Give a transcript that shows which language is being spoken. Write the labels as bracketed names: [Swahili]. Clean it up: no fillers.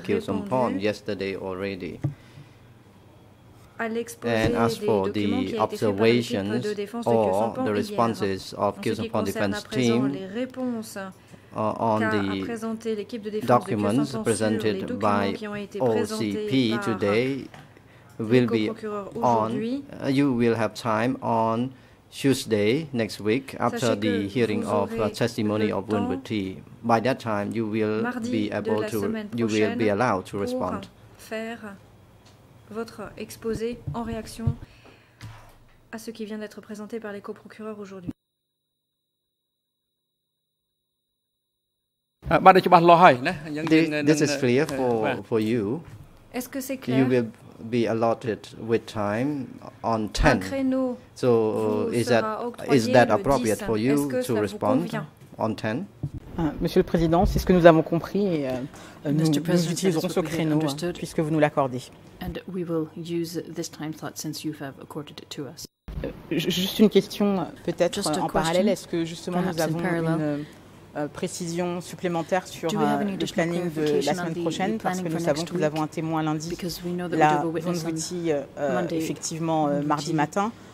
[English] Cossampan yesterday already. And as for the observations or the responses of Cossampan defense team on the documents presented by OCP today, will be on. You will have time on Tuesday next week after the hearing of testimony of Winwood T. By that time, you will be allowed to respond. [French] votre exposé en réaction à ce qui vient d'être présenté par les coprocureurs aujourd'hui. [English] This is clear for you. [French] Est-ce que c'est clair? [English] You will be allotted with time on 10. [French] Créneau, [English] so is that appropriate 10? For you to respond on 10? [French] Monsieur le Président, c'est ce que nous avons compris et nous utiliserons ce créneau puisque vous nous l'accordez. [English] And we will use this time slot since you have accorded it to us. [French] Juste une question peut-être en question, parallèle, est-ce que justement nous avons une précision supplémentaire sur le planning de la semaine prochaine parce que nous savons que nous avons un témoin lundi, la zone d'outil effectivement mardi matin.